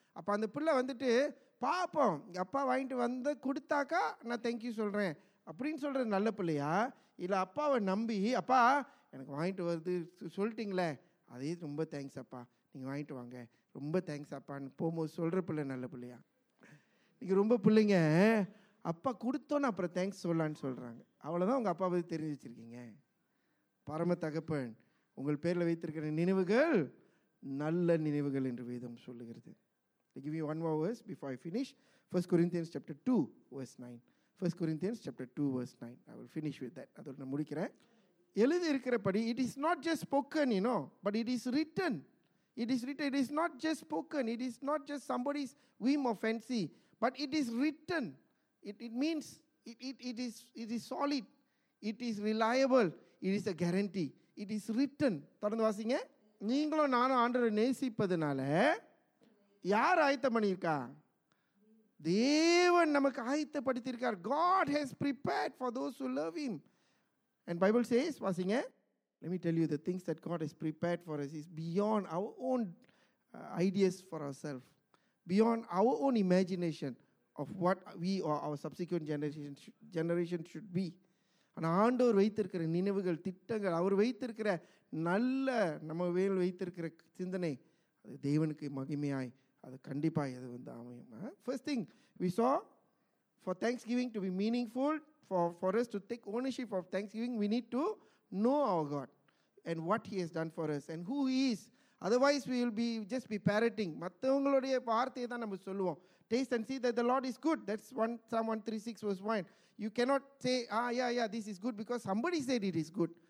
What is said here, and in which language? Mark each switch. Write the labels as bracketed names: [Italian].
[Tamil] அப்போ அந்த பிள்ளை வந்துட்டு, பாப்போம், அப்பா வாங்கிட்டு வந்து கொடுத்தாக்கா நான் தேங்க்யூ சொல்கிறேன் அப்படின்னு சொல்கிற நல்ல பிள்ளையா, இல்லை அப்பாவை நம்பி, அப்பா எனக்கு வாங்கிட்டு வருது சொல்லிட்டிங்களே அதே ரொம்ப தேங்க்ஸ் அப்பா, நீங்கள் வாங்கிட்டு வாங்க, ரொம்ப தேங்க்ஸ் அப்பான்னு போகும்போது சொல்கிற பிள்ளை நல்ல பிள்ளையா? இன்றைக்கி ரொம்ப பிள்ளைங்க அப்பா கொடுத்தோன்னு அப்புறம் தேங்க்ஸ் சொல்லான்னு சொல்கிறாங்க. அவ்வளோதான் உங்கள் அப்பா பற்றி தெரிஞ்சு வச்சுருக்கீங்க. பரம தகப்பன், உங்கள் பேரில் வைத்திருக்கிற நினைவுகள் நல்ல நினைவுகள் என்று வேதம் சொல்லுகிறது. [English] I give you one more verse before I finish. 1 Corinthians chapter 2 verse 9. 1 Corinthians chapter 2 verse 9. I will finish with that. [Tamil] அதோட நான் முடிக்கிறேன். எழுதி இருக்கிறபடி, [English] it is not just spoken, you know, but it is written. It is written. It is not just spoken. It is not just somebody's whim or fancy. But it is written. It means it is solid. It is reliable. It is a guarantee. It is written. [Tamil] தொடர்ந்து வாசிங்க. நீங்களும் நானும் ஆண்டவரை நேசிப்பதனால யார் ஆயத்தம் பண்ணியிருக்கா? தேவன் நமக்கு ஆயத்தப்படுத்தியிருக்கார். [English] God has prepared for those who love him. And Bible says, [Tamil] வாசிங்க, [English] let me tell you, the things that God has prepared for us is beyond our own ideas for ourselves, beyond our own imagination of what we or our subsequent generation should be. [Tamil] ஆனால் ஆண்டவர் வைத்திருக்கிற நினைவுகள், திட்டங்கள், அவர் வைத்திருக்கிற நல்ல நம்ம வேல் வைத்திருக்கிற சிந்தனை, அது தேவனுக்கு மகிமையாய், அது கண்டிப்பாக அது வந்து அமையும். [English] First thing we saw, for Thanksgiving to be meaningful, for us to take ownership of Thanksgiving, we need to know our God and what He has done for us and who He is. Otherwise, we will be just be parroting. Taste and see that the Lord is good. That's one Psalm 136 verse 1. You cannot say, this is good because somebody said it is good.